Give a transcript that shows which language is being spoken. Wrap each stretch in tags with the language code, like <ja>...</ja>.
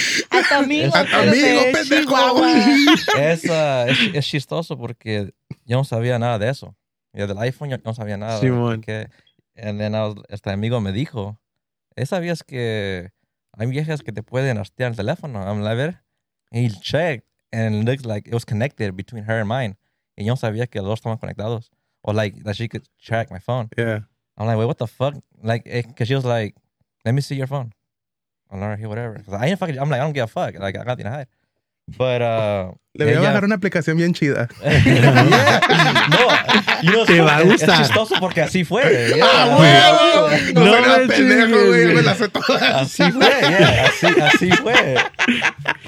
<es>A tu amigo, pendejo. Es chistoso porque yo no sabía nada de eso. Yo del iPhone yo no sabía nada. Sí, porque este amigo me dijo, ¿sabías que hay viejas que te pueden rastrear el teléfono?</es> <en>I'm like,</en> <es>a ver.</es> <en>And he checked and it looks like it was connected between her and mine.</en> <es>Y yo no sabía que los dos estaban conectados.</es> <en>O like, that she could track my phone. Yeah. I'm like, wait, what the fuck? Like, because she was like, let me see your phone. Whatever. I'm like, I don't give a fuck. Like, I got nothing to hide. But,</en> <es>le voy a bajar una aplicación bien chida.</es> <en>No, you know,</en> <es>te va a gustar. Es chistoso porque así fue. Yeah. ¡Ah, no, no era pendejo, güey. Me la sé toda. Así fue, yeah. Así fue.</es>